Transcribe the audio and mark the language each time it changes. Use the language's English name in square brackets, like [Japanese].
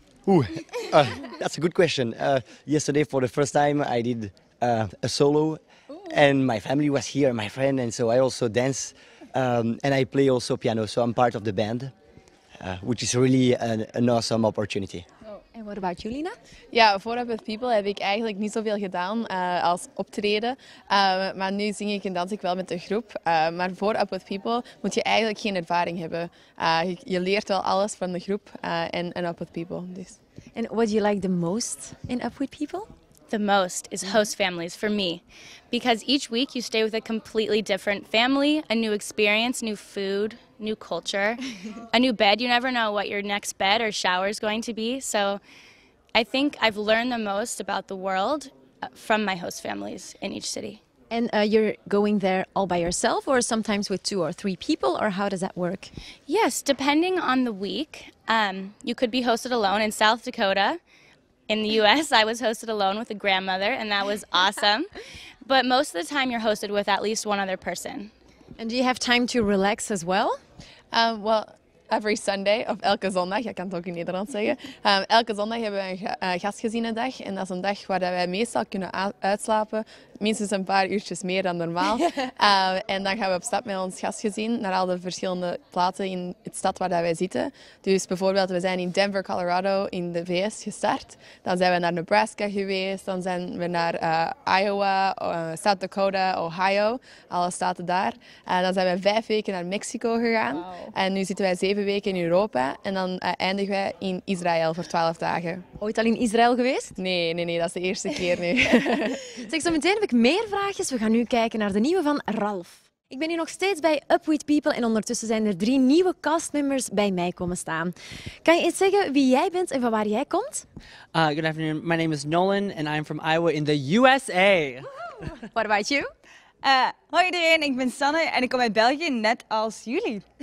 [English] Ooh, that's a good question. Yesterday, for the first time, I did a solo. And my family was here, my friend, and so I also dance and I play also piano, so I'm part of the band, which is really an awesome opportunity. Oh. And what about you, Lina? [Dutch] Ja, voor Up With People heb ik eigenlijk niet zoveel gedaan als optreden, maar nu zing ik en dans ik wel met de groep. Maar voor Up With People moet je eigenlijk geen ervaring hebben. Je leert wel alles van de groep en Up With People. Dus. [English] And what do you like the most in Up With People? The most is host families for me, because each week you stay with a completely different family, a new experience, new food, new culture, a new bed. You never know what your next bed or shower is going to be. So I think I've learned the most about the world from my host families in each city. And you're going there all by yourself or sometimes with two or three people, or how does that work? Yes, depending on the week, you could be hosted alone in South Dakota. In the U.S., I was hosted alone with a grandmother, and that was awesome. But most of the time, you're hosted with at least one other person. And do you have time to relax as well? Well, every Sunday, [Dutch] of elke zondag, ik kan het ook in Nederland zeggen. Elke zondag hebben we een gastgezinnendag. En dat is een dag waar wij meestal kunnen uitslapen. Minstens een paar uurtjes meer dan normaal. En dan gaan we op stap met ons gastgezin naar al de verschillende plaatsen in het stad waar wij zitten. Dus bijvoorbeeld, we zijn in Denver, Colorado in de VS gestart. Dan zijn we naar Nebraska geweest. Dan zijn we naar Iowa, South Dakota, Ohio. Alle staten daar. Dan zijn we 5 weken naar Mexico gegaan. Wow. En nu zitten wij 7 weken in Europa. En dan eindigen wij in Israël voor 12 dagen. Ooit al in Israël geweest? Nee. Dat is de eerste keer nu. Zeg, zo meteen heb ik meer vraagjes. We gaan nu kijken naar de nieuwe van Ralf. Ik ben hier nog steeds bij Up With People en ondertussen zijn er 3 nieuwe castmembers bij mij komen staan. Kan je eens zeggen wie jij bent en van waar jij komt? [English] Good afternoon. My name is Nolan and I'm from Iowa in the USA. Woohoo. What about you? [Dutch] Hoi iedereen, ik ben Sanne en ik kom uit België, net als jullie.